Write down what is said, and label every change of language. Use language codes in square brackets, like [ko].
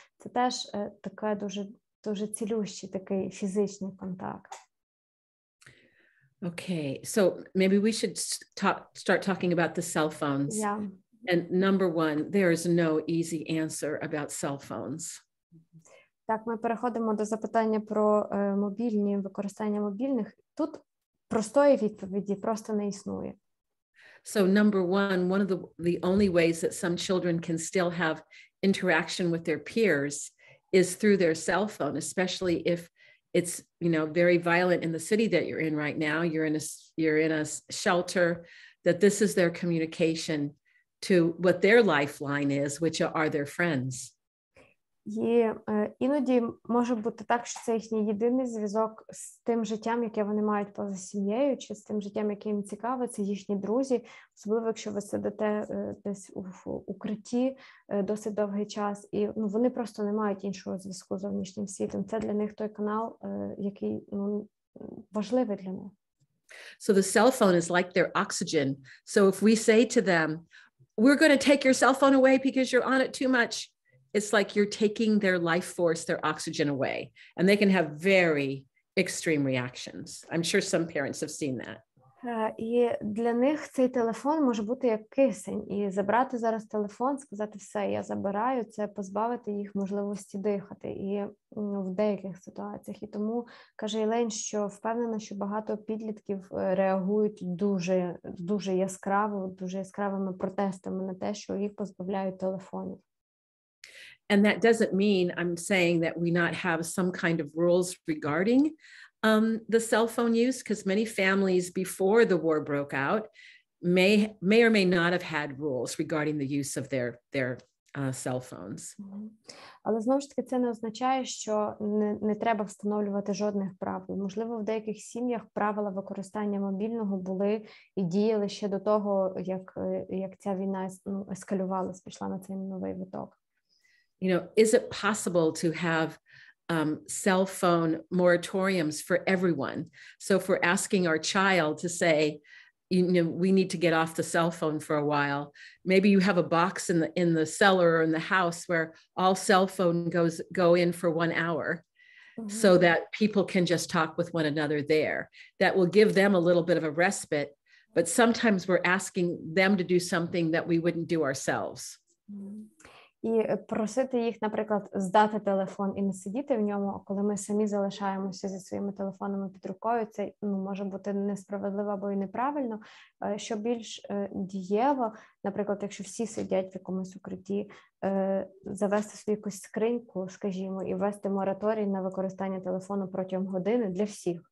[uk] Це теж таке дуже цілющий такий фізичний контакт. [en] Okay, so maybe we should start talking about the cell phones. Yeah. And number one, there is no easy answer about cell phones. [uk] Так, ми переходимо до запитання про мобільні, використання мобільних. Тут простої відповіді просто не існує. [en] So number one, one of the only ways that some children can still have interaction with their peers is through their cell phone, especially if it's, you know, very violent in the city that you're in right now, you're in a shelter, that this is their communication to what their lifeline is, which are their friends. [uk] І іноді може бути так, що це їхній єдиний зв'язок з тим життям, яке вони мають поза сім'єю, чи з тим життям, яке їм цікаве, це їхні друзі, особливо якщо ви сидите десь у укритті досить довгий час, і ну, вони просто не мають іншого зв'язку з зовнішнім світом. Це для них той канал, який ну, важливий для них. [en] So the cell phone is like their oxygen. So if we say to them, we're going to take your cell phone away because you're on it too much, it's like you're taking their life force, their oxygen away, and they can have very extreme reactions. I'm sure some parents have seen that. [uk] І для них цей телефон може бути як кисень, і забрати зараз телефон, сказати все, я забираю, це позбавити їх можливості дихати, і в деяких ситуаціях. І тому, каже Єлен, що впевнена, що багато підлітків реагують дуже яскраво, дуже яскравими протестами на те, що їх позбавляють телефонів. [en] And that doesn't mean I'm saying that we not have some kind of rules regarding the cell phone use, because many families before the war broke out may or may not have had rules regarding the use of their cell phones. [uk] Але знову ж таки, це не означає, що не треба встановлювати жодних правил. Можливо, в деяких сім'ях правила використання мобільного були і діяли ще до того, як ця війна ескалювалась, пішла на цей новий виток. [en] You know, is it possible to have cell phone moratoriums for everyone. So if we're asking our child to say, you know, we need to get off the cell phone for a while, maybe you have a box in the cellar or in the house where all cell phone goes go in for 1 hour. Mm-hmm. So that people can just talk with one another there. That will give them a little bit of a respite, but sometimes we're asking them to do something that we wouldn't do ourselves. [uk] І просити їх, наприклад, здати телефон і не сидіти в ньому, коли ми самі залишаємося зі своїми телефонами під рукою, це ну, може бути несправедливо або і неправильно. Що більш дієво, наприклад, якщо всі сидять в якомусь укритті, завести собі якусь скриньку, скажімо, і ввести мораторій на використання телефону протягом години для всіх.